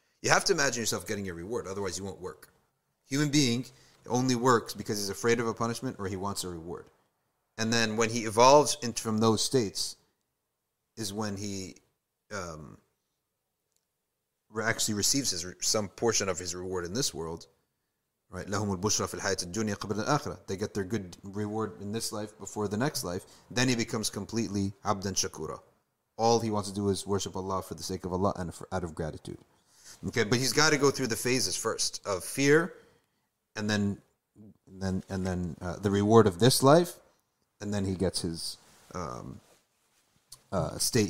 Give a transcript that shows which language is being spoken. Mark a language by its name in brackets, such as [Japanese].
[English] You have to imagine yourself getting your reward, otherwise you won't work. Human being only works because he's afraid of a punishment or he wants a reward. And then when he evolves from those states is when he actually receives some portion of his reward in this world. [Arabic] Right, لهم البشرى في الحياة الدنيا قبل الآخرة. [English] They get their good reward in this life before the next life. Then he becomes completely [Arabic] عبدًا شكورا. [English] All he wants to do is worship Allah for the sake of Allah and out of gratitude. Okay, but he's got to go through the phases first of fear, and then the reward of this life, and then he gets his state.